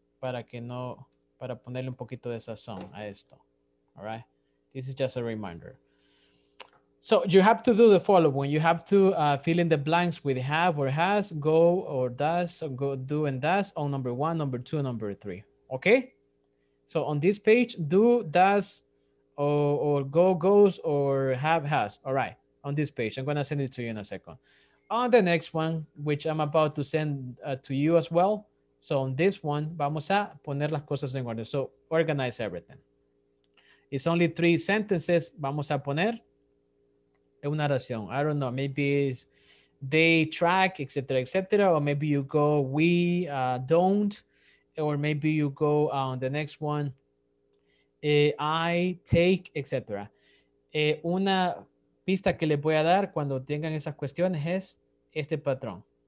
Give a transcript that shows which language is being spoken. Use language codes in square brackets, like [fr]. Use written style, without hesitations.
[es] Para que no, para ponerle un poquito de sazón a esto. [en] All right. This is just a reminder. So you have to do the following. You have to fill in the blanks with have or has, go or does, or go do and does on number one, number two, number three. Okay. So on this page, do, does, or go, goes, or have, has. All right. On this page, I'm going to send it to you in a second. On the next one, which I'm about to send to you as well. So on this one, [es] vamos a poner las cosas en orden. [en] So organize everything. It's only three sentences. [es] Vamos a poner una oración. [en] I don't know. Maybe it's they track, etc., etc. Or maybe you go we don't. Or maybe you go on the next one. I take, etc. [es] Una pista que les voy a dar cuando tengan esas cuestiones es este patrón.